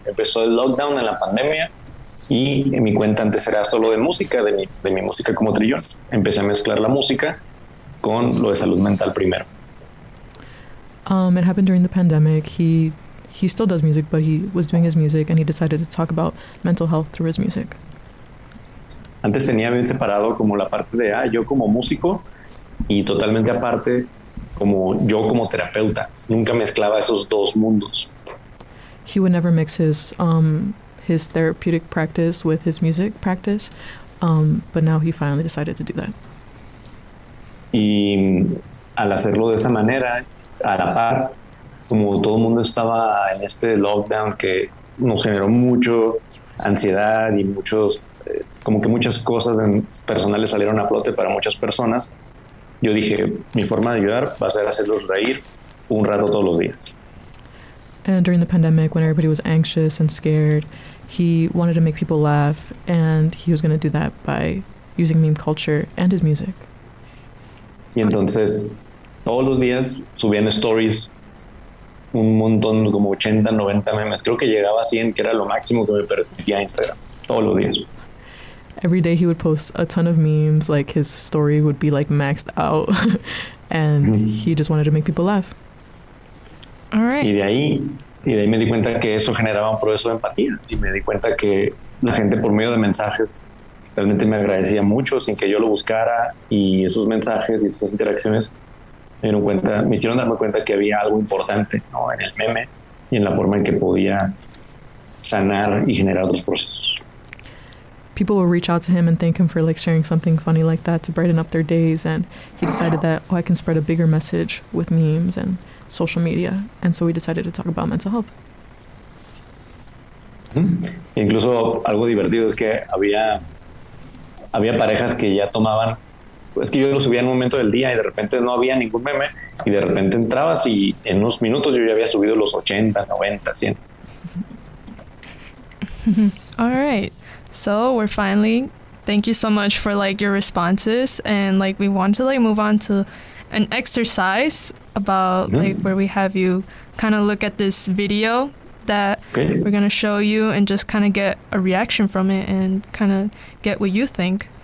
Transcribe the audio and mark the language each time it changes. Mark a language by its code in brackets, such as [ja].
[es] Empezó el lockdown en la pandemia y en mi cuenta antes era solo de música, de mi música como trillón. Empecé a mezclar la música con lo de salud mental primero. [en] It happened during the pandemic. He still does music, but he was doing his music and he decided to talk about mental health through his music. [es] Antes tenía bien separado como la parte de yo como músico y totalmente aparte como yo como terapeuta. Nunca mezclaba esos dos mundos. [en] He would never mix his therapeutic practice with his music practice, but now he finally decided to do that. [es] Y al hacerlo de esa manera, a la par, como todo el mundo estaba en este lockdown que nos generó mucho ansiedad y muchos como que muchas cosas personales salieron a flote para muchas personas, yo dije, mi forma de ayudar va a ser hacerlos reír un rato todos los días. [en] And during the pandemic, when everybody was anxious and scared, he wanted to make people laugh, and he was going to do that by using meme culture and his music. [es] Y entonces todos los días subían stories, un montón, como 80, 90 memes. Creo que llegaba a 100, que era lo máximo que me permitía Instagram. Todos los días. [en] Every day he would post a ton of memes, like his story would be like maxed out. And he just wanted to make people laugh. All right. [es] Y de ahí me di cuenta que eso generaba un proceso de empatía. Y me di cuenta que la gente por medio de mensajes realmente me agradecía mucho sin que yo lo buscara. Y esos mensajes y esas interacciones me hicieron darme cuenta que había algo importante, ¿no? En el meme y en la forma en que podía sanar y generar otros procesos. [en] People would reach out to him and thank him for like sharing something funny like that to brighten up their days, and he decided that I can spread a bigger message with memes and social media, and so we decided to talk about mental health. [es] Incluso algo divertido es que había parejas que ya tomaban. Es que yo lo subía en un momento del día y de repente no había ningún meme y de repente entrabas y en unos minutos yo ya había subido los 80, 90, 100. [en] All right. So we're finally, thank you so much for like your responses, and like we want to like move on to an exercise about like where we have you kind of look at this video that we're going to show you and just kind of get a reaction from it and kind of get what you think.